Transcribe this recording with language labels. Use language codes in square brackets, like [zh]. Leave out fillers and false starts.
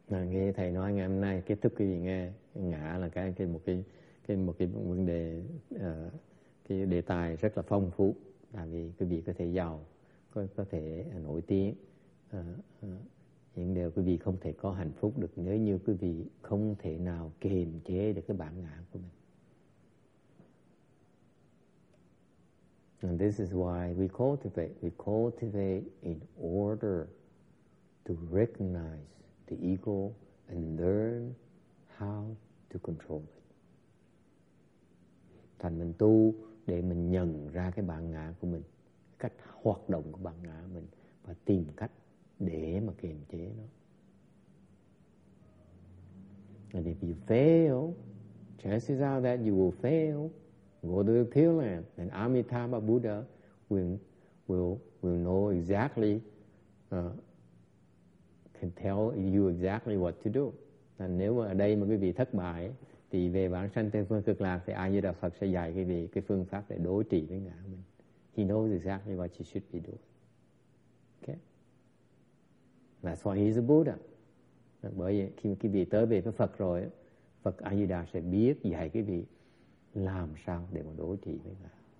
[vi] Nghe thầy nói ngày hôm nay kết thúc quý vị nghe ngã là cái một cái vấn đề cái đề tài rất là phong phú, tại vì quý vị có thể giàu, có thể nổi tiếng, những điều quý vị không thể có hạnh phúc được nếu như quý vị không thể nào kiềm chế được cái bản ngã của mình. [en] And this is why we cultivate in order to recognize the ego and learn how to control it. [vi] Thành mình tu để mình nhận ra cái bản ngã của mình, cách hoạt động của bản ngã mình và tìm cách để mà kiềm chế nó. [en] And if you fail, chances are that you will fail. Go to the Pure Land and Amitabha Buddha will know exactly. Can tell you exactly what to do. [vi] And nếu mà ở đây mà quý vị thất bại thì về bản sanh tây phương cực lạc thì A Di Đà Phật sẽ dạy quý vị cái phương pháp để đối trị với ngã mình. [en] He knows exactly what you should be doing. Okay? That's why he's a Buddha. [vi] Bởi vậy, khi quý vị tới về với Phật rồi, Phật A-di-đà sẽ biết dạy quý vị làm sao để mà đối trị với Ngài.